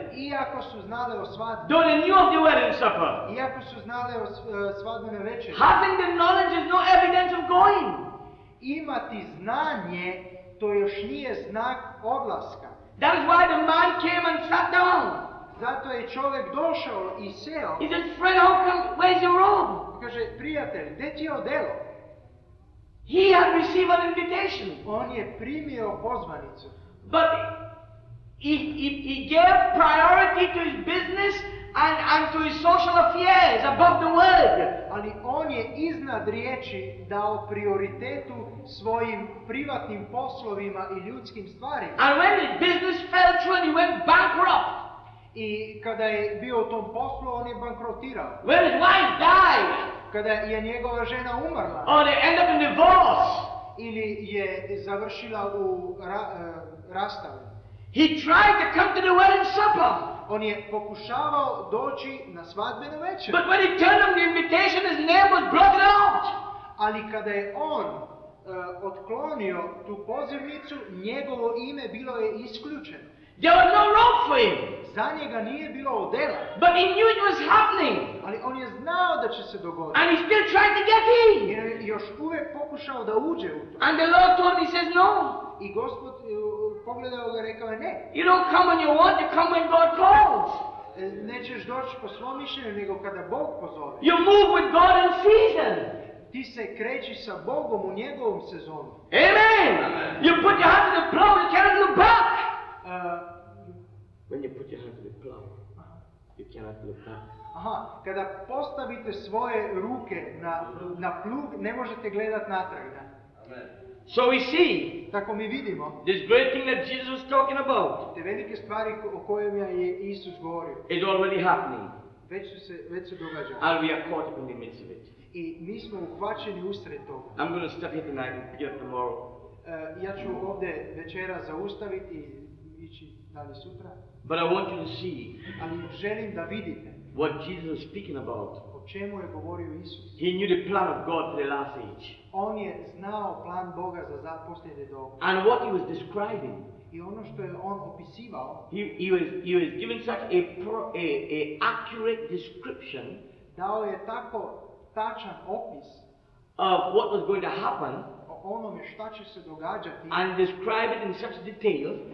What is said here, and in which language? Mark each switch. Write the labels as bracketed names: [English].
[Croatian] Iako su znale o svadbi. [English] Though they knew of the wedding supper. [Croatian] Iako su znale o svadbenoj večeri. [English] Having the knowledge is no evidence of going. [Croatian] Imati znanje to još nije znak odlaska. [English] That is why the man came and sat down. [Croatian] Zato je čovjek došao i seo. [English] He said, friend, how come, where's your robe? [Croatian] Kaže, prijatelj, gdje ti je odelo? [English] He had received an invitation. [Croatian] On je primio pozvanicu. [English] But he gave priority to his business and to his social affairs above the word. [Croatian] Ali on je iznad riječi dao prioritetu svojim privatnim poslovima i ljudskim stvarima. [English] And when his business fell through and he went bankrupt. [Croatian] I kada je bio u tom poslu, on je bankrotirao. [English] When his wife died. [Croatian] Kada je njegova žena umrla. [English] Or they end up in divorce. [Croatian] Ili je završila u rastavu. [English] He tried to come to the wedding supper. [Croatian] On je pokušavao doći na svadbenu večer. [English] But when he turned on the invitation, his name was blocked out. [Croatian] Ali kada je on otklonio tu pozivnicu, njegovo ime bilo je isključeno. [English] There was no robe for him. [Croatian] Za njega nije bilo odela. [English] But he knew it was happening. [Croatian] Ali on je znao da će se dogoditi. [English] And he still tried to get in. [Croatian] Jer je još uvijek pokušao da uđe u to. [English] And the Lord told him, he says no. [Croatian] I Gospod pogledao ga i rekao je ne. [English] You don't come when you want, you come when God calls. [Croatian] Nećeš doći po svom mišljenju, nego kada Bog pozove. [English] You move with God in season. [Croatian] Ti se kreći sa Bogom u njegovom sezonu. [English] Amen. Amen. You put your hand in the plow, you cannot look back. When you put your hand to the plow, you cannot look back. [Croatian] Aha, kada postavite svoje ruke na plug, ne možete gledat natrag, da? [English] Amen. So we see. [Croatian] Tako mi vidimo. [English] This great thing that Jesus is talking about. [Croatian] Te velike stvari o kojem je Isus govorio. [English] It already happening. [Croatian] Već se događa. [English] And we are caught up in the midst of it. [Croatian] I mi smo uhvaćeni usred toga. [English] I'm going to stop here tonight and get tomorrow. [Croatian] Ja ću ovdje večera zaustaviti. Sutra. [English] But I want you to see. [Croatian] Ali želim da vidite. [English] What Jesus is speaking about. [Croatian] O čemu je govorio Isus? [English] He knew the plan of God for the last age. [Croatian] On je znao plan Boga za posljednje doba. [English] And what he was describing. [Croatian] I ono što je on opisivao. [English] He was giving such a accurate description. [Croatian] Dao je tako tačan opis. [English] Of what was going to happen. [Croatian] Onome šta će se događati. [English] And describe it in such detail.